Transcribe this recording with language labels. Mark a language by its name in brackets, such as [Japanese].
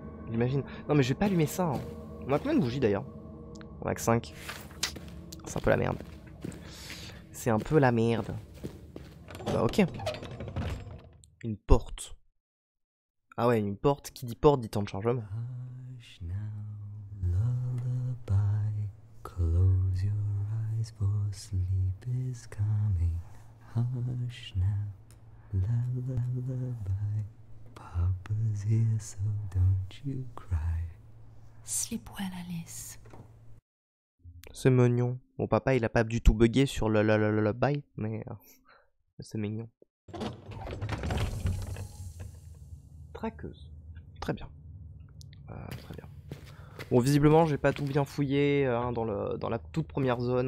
[French] J'imagine... Non, mais je vais pas allumer ça, hein. On a combien de bougies, d'ailleurs? On a que 5. C'est un peu la merde. C'est un peu la merde. Bah ok. Une porte. Ah ouais, une porte. Qui dit porte dit temps de chargement. [English] Hush now, lullaby. Close your eyes for sleep is coming. Hush now, lullaby. Papa's here, so don't you cry. Sleep well, Alice. [French] C'est mignon. Mon papa, il a pas du tout bugué sur le lullaby, mais c'est mignon. Traqueuse. Très bien. Très bien. Bon, visiblement, j'ai pas tout bien fouillé hein, dans la toute première zone.